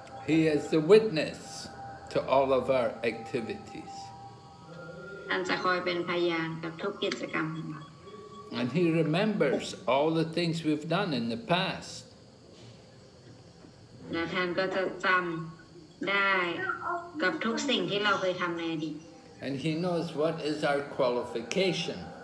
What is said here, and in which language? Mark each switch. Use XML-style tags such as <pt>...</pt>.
<en>He is the witness to all of our activities</en> <th>ท่านจะคอยเป็นพยานกับทุกกิจกรรมของเรา</th> <en>And he remembers all the things we've done in the past</en> <th>และท่านก็จะจำได้กับทุกสิ่งที่เราเคยทำในอดีต</th> <en>And he knows what is our qualification.</en>